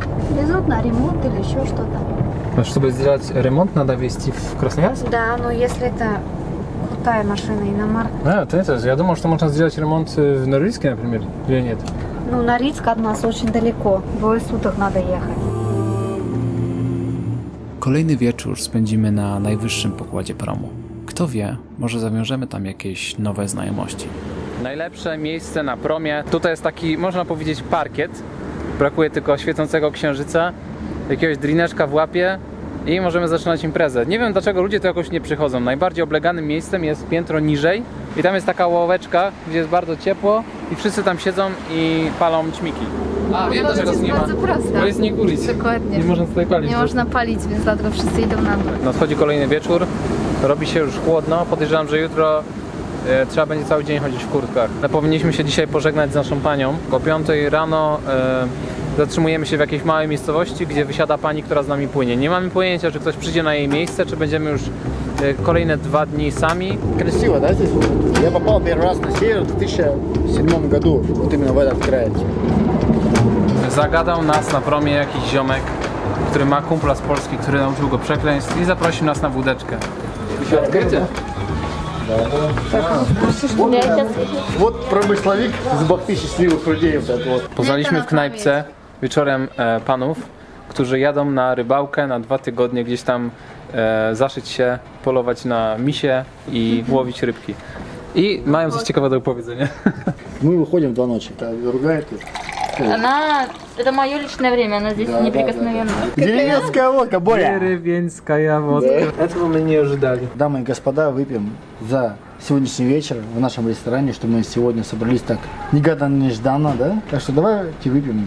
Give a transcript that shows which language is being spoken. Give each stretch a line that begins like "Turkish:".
Russian: Везут на ремонт или еще что-то. Чтобы сделать ремонт, надо везти в Красноярск? Да, но если это крутая машина, иномарка. А, это, я думал, что можно сделать ремонт в Норильске, например, или нет? Ну, Норильск от нас очень далеко, двое суток надо ехать.
Polish: Kolejny wieczór spędzimy na najwyższym pokładzie promu. Kto wie, może zawiążemy tam jakieś nowe znajomości. Najlepsze miejsce na promie. Tutaj jest taki, można powiedzieć, parkiet. Brakuje tylko świecącego księżyca. Jakiegoś drineczka w łapie i możemy zaczynać imprezę. Nie wiem, dlaczego ludzie to jakoś nie przychodzą. Najbardziej obleganym miejscem jest piętro niżej i tam jest taka ławeczka, gdzie jest bardzo ciepło i wszyscy tam siedzą i palą ćmiki. A, no, wiem, to dlaczego nie ma. To jest bardzo proste. Bo jest nie kurić. Dokładnie. Nie można tutaj palić. Nie można palić, więc dlatego wszyscy idą na dół. Nadchodzi kolejny wieczór, robi się już chłodno. Podejrzewam, że jutro trzeba będzie cały dzień chodzić w kurtkach. No, powinniśmy się dzisiaj pożegnać z naszą panią. O 5 rano zatrzymujemy się w jakiejś małej miejscowości, gdzie wysiada pani, która z nami płynie. Nie mamy pojęcia, czy ktoś przyjdzie na jej miejsce, czy będziemy już kolejne dwa dni sami.
Russian: Красиво, да, здесь? Я попал первый раз на север в 2007 году, вот именно в этот край.
Polish: Zagadał nas na promie jakiś ziomek, który ma kumpla z Polski, który nauczył go przekleństw i zaprosił nas na wódeczkę.
Russian: Открытие. Вот промысловик из Бахты счастливых людей.
Polish: Poznaliśmy w knajpce wieczorem panów, którzy jadą na rybałkę na dwa tygodnie gdzieś tam zaszyć się, polować na misie i łowić rybki. I mają coś ciekawego do opowiedzenia. My wychodzimy dwa noci, ta druga jest.
Russian: Она, это мое личное время, она здесь да, неприкосновенная. Да, да. Деревенская водка, Боря! Деревенская водка. Да. Этого мы не ожидали. Дамы и господа, выпьем за сегодняшний вечер в нашем ресторане, что мы сегодня собрались так негаданно-нежданно, да? Так что давайте выпьем